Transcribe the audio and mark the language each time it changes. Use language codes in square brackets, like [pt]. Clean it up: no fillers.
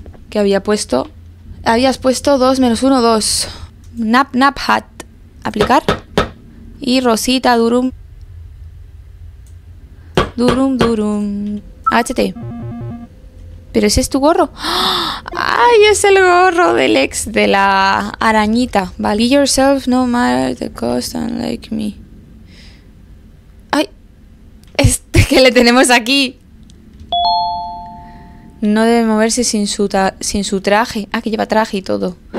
[es] ¿Qué había puesto? Habías puesto 2 menos 1, 2. Nap, nap, hat. Aplicar. Y Rosita, durum. Durum, durum. Agáchate. ¿Pero ese es tu gorro? ¡Ay, es el gorro del ex de la arañita! Vale. [en] Be yourself, no matter the cost, unlike me. [es] ¡Ay! ¡Este que le tenemos aquí! No debe moverse sin su, sin su traje. Ah, que lleva traje y todo.